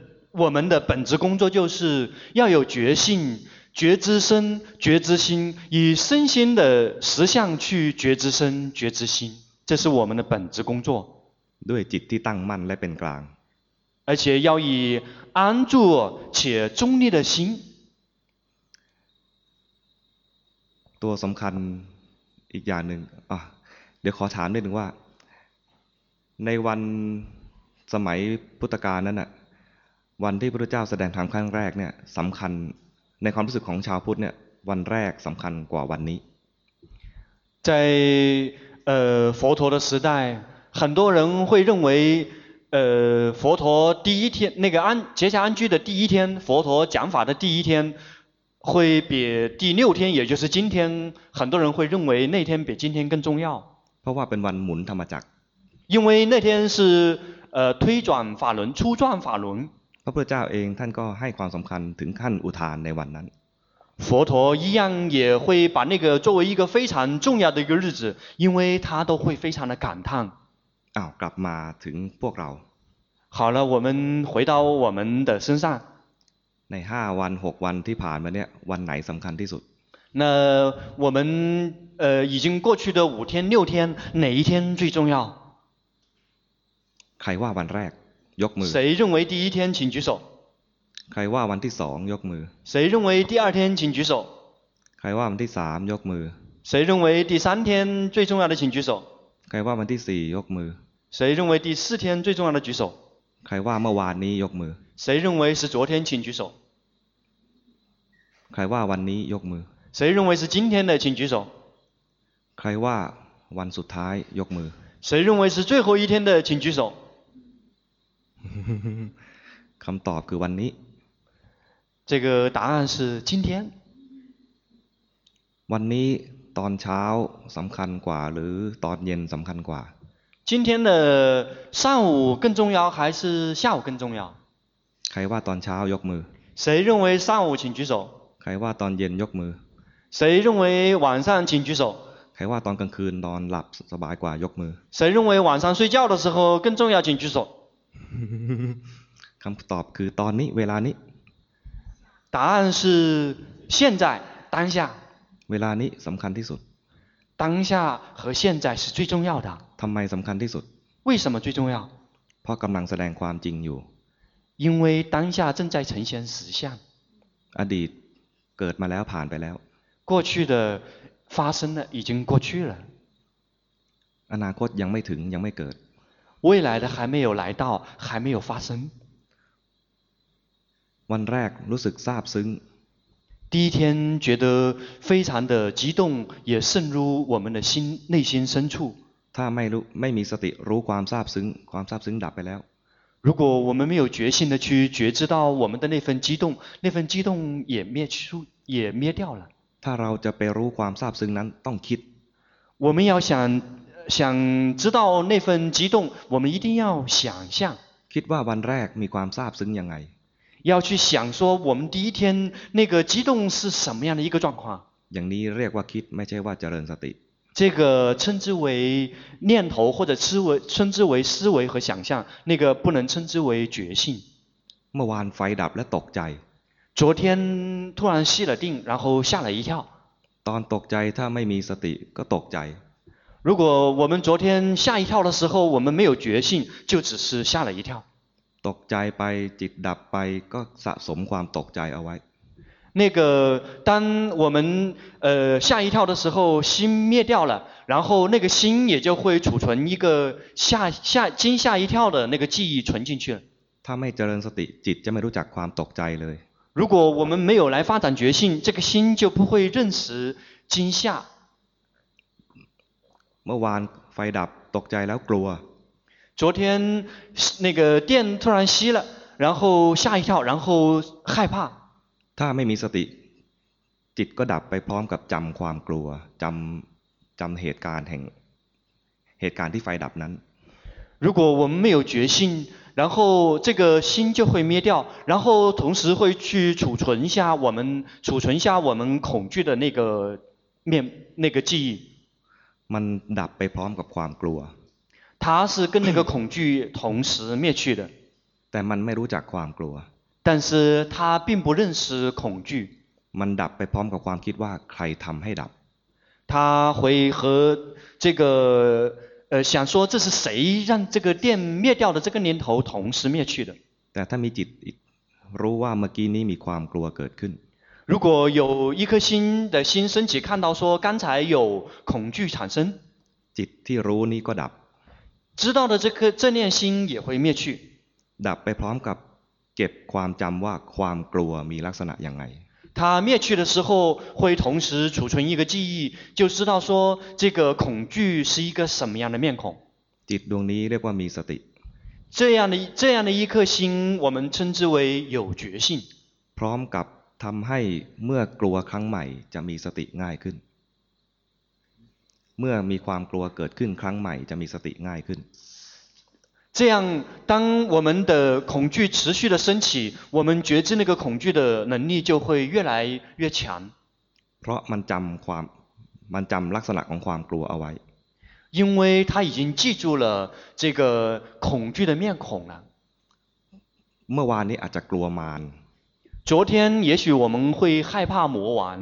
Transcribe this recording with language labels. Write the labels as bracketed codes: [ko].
[zh] 我们的本职工作就是要有觉性觉知身觉知心以身心的实相去觉知身觉知心这是我们的本职工作 [th] ด้วยจิตที่ตั้งมั่นและเป็นกลาง [zh] 而且要以安住且中立的心 [th] ตัวสำคัญอีกอย่างหนึ่งเดี๋ยวขอถามนิดหนึ่งว่าในวันสมัยพุทธกาลนั้นน่ะวันที่พระพุทธเจ้าแสดงธรรมครั้งแรกเนี่ยสำคัญในความรู้สึกของชาวพุทธเนี่ยวันแรกสำคัญกว่าวันนี้ ใน [zh] 佛陀的时代很多人会认为佛陀第一天那个安结下安居的第一天佛陀讲法的第一天会比第六天也就是今天很多人会认为那天比今天更重要 [th] เพราะว่าเป็นวันหมุนธรรมจักร [zh] 因为那天是推转法轮初转法轮 [th] พระพุทธเจ้าเองท่านก็ให้ความสำคัญถึงขั้นอุทานในวันนั้น [zh] 佛陀一样也会把那个作为一个非常重要的一个日子因为他都会非常的感叹 [th] อ้าวกลับมาถึงพวกเรา [zh] 好了我们回到我们的身上 [th] ใน5วัน6วันที่ผ่านมาเนี่ยวันไหนสำคัญที่สุด [zh] 那我们已经过去的五天六天哪一天最重要 [th] ใครว่าวันแรกยกมือ [zh] 谁认为第一天请举手 [th] ใครว่าวันที่2ยกมือ [zh] 谁认为第二天请举手 [th] ใครว่าวันที่3ยกมือ [zh] 谁认为第三天最重要的请举手 [th] ใครว่าวันที่4ยกมือ [zh] 谁认为第四天最重要的举手 [th] ใครว่าเมื่อวานนี้ยกมือ [zh] 谁认为是昨天请举手 [th] ใครว่าวันนี้ยกมือ [zh] 谁认为是今天的请举手 [th] ใครว่าวันสุดท้ายยกมือ [zh] 谁认为是最后一天的请举手 [th] คำตอบคือวันนี้ [zh] 这个答案是今天 [th] วันนี้ตอนเช้าสำคัญกว่าหรือตอนเย็นสำคัญกว่า [zh] 今天的上午更重要还是下午更重要 [th] ใครว่าตอนเช้ายกมือ [zh] 谁认为上午请举手 [th] ใครว่าตอนเย็นยกมือ [zh] 谁认为晚上请举手 [th] ใครว่าตอนกลางคืนนอนหลับสบายกว่ายกมือ [zh] 谁认为晚上睡觉的时候更重要请举手 [th] คำตอบคือตอนนี้เวลานี้ [zh] 答案是现在当下 [th] เวลานี้สำคัญที่สุด [zh] 当下和现在是最重要的 [th] ทำไมสำคัญที่สุด [zh] 为什么最重要 [th] เพราะกำลังแสดงความจริงอยู่ [zh] 因为当下正在呈现实相 [th] อดีตเกิดมาแล้วผ่านไปแล้ว [zh] 过去的发生了已经过去了 [th] อนาคตยังไม่ถึงยังไม่เกิด [zh] 未来的还没有来到还没有发生 [th] วันแรกรู้สึกซาบซึ้ง [zh] 第一天觉得非常的激动，也渗入我们的心内心深处。 [th] ถ้าไม่รู้ไม่มีสติรู้ความซาบซึ้งความซาบซึ้งดับไปแล้ว [zh] 如果我们没有决心的去觉知到我们的那份激动也灭掉了。 [th] ถ้าเราจะไปรู้ความซาบซึ้งนั้นต้องคิด [zh] 我们要想知道那份激动，我们一定要想象。 [th] คิดว่าวันแรกมีความซาบซึ้งยังไง [zh] 要去想说我们第一天那个激动是什么样的一个状况。 [th] อย่างนี้เรียกว่าคิดไม่ใช่ว่าเจริญสติ [zh] 这个称之为念头或者称之为思维和想象，那个不能称之为觉性。 [th] เมื่อวานไฟดับและตกใจ [zh] 昨天突然熄了定，然后吓了一跳。 [th] ตอนตกใจถ้าไม่มีสติก็ตกใจ [zh] 如果我们昨天吓一跳的时候，我们没有觉性，就只是吓了一跳。 [th] ตกใจไปจิตดับไปก็สะสมความตกใจเอาไว้ [zh] 那个当我们吓一跳的时候心灭掉了然后那个心也就会储存一个惊吓一跳的那个记忆存进去了 [th] ถ้าไม่เจริญสติจิตจะไม่รู้จักความตกใจเลย [zh] 如果我们没有来发展觉性这个心就不会认识惊吓 [th] เมื่อวานไฟดับตกใจแล้วกลัว [zh] 昨天那个电突然熄了然后吓一跳然后害怕 [th] ถ้าไม่มีสติจิตก็ดับไปพร้อมกับจำความกลัวจำเหตุการณ์แห่งเหตุการณ์ที่ไฟดับนั้น [zh] 如果我们没有决心然后这个心就会灭掉然后同时会去储存下我们恐惧的那个记忆 [th] มันดับไปพร้อมกับความกลัว [zh] 它是跟那个恐惧同时灭去的 [th] แต่มันไม่รู้จักความกลัว [zh] 但是它并不认识恐惧 [th] มันดับไปพร้อมกับความคิดว่าใครทำให้ดับ [zh] 它会和这个想说这是谁让这个电灭掉的这个念头同时灭去的 [th] แต่ถ้ามีจิตรู้ว่าเมื่อกี้นี้มีความกลัวเกิดขึ้น [zh] 如果有一颗心的心升起看到说刚才有恐惧产生 [th] จิตที่รู้นี้ก็ดับ [zh] 知道的这念心也会灭去 [th] ดับไปพร้อมกับเก็บความจำว่าความกลัวมีลักษณะอย่างไร [zh] 它灭去的时候会同时储存一个记忆就知道说这个恐惧是一个什么样的面孔 [th] จิตดวงนี้เรียกว่ามีสติ [zh] 这样的一颗心我们称之为有觉性 [th] พร้อมกับทำให้เมื่อกลัวครั้งใหม่จะมีสติง่ายขึ้นเมื่อมีความกลัวเกิดขึ้นครั้งใหม่จะมีสติง่ายขึ้น [zh] 这样当我们的恐惧持续的升起我们觉知那个恐惧的能力就会越来越强 [th] เพราะมันจำลักษณะของความกลัวเอาไว้ [zh] 因为他已经记住了这个恐惧的面孔了 [th] เมื่อวานนี้อาจจะกลัวมาร [zh] 昨天也许我们会害怕魔丸